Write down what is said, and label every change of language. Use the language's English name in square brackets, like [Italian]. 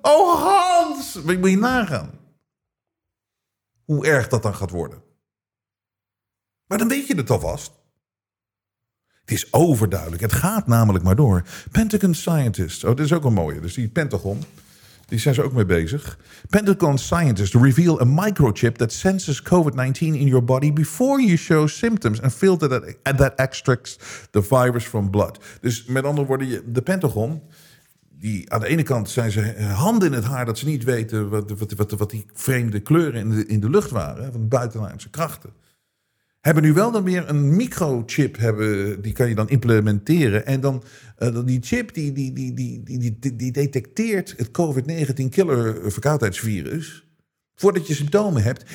[Dutch] Oh, Hans! Moet je nagaan hoe erg dat dan gaat worden. Maar dan weet je het alvast. Het is overduidelijk. Het gaat namelijk maar door. [English] Pentagon scientists. [Dutch] Oh, dit is ook een mooie. Dus die Pentagon. Die zijn ze ook mee bezig. [English] Pentagon scientists reveal a microchip that senses COVID-19 in your body before you show symptoms and filter that extracts the virus from blood. [Dutch] Dus met andere woorden, de Pentagon. Die, aan de ene kant zijn ze handen in het haar dat ze niet weten wat die vreemde kleuren in de lucht waren. Van buitenaardse krachten. Hebben nu wel dan weer een microchip hebben, die kan je dan implementeren. En dan die chip die detecteert het COVID-19 killer verkoudheidsvirus voordat je symptomen hebt.